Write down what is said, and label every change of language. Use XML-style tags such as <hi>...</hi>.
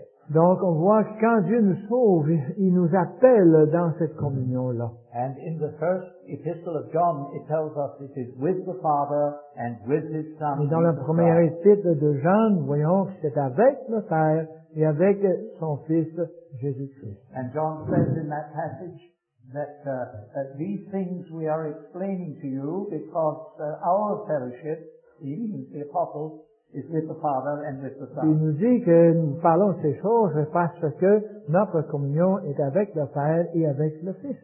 <fr>Donc on voit que quand Dieu nous sauve, il nous appelle dans cette communion-là.</fr> <en>And in the first epistle of John, it tells us it is with the Father and with his Son.</en> <fr>Et dans la première épître de Jean, voyons que c'est avec le Père et avec son Fils Jésus-Christ.</fr> <en>And John says in that passage that these things we are explaining to you because our fellowship, the apostles, is with the Father and with the Son.</en> <fr>Il nous dit que nous parlons ces choses parce que notre communion est avec le Père et avec le Fils.</fr>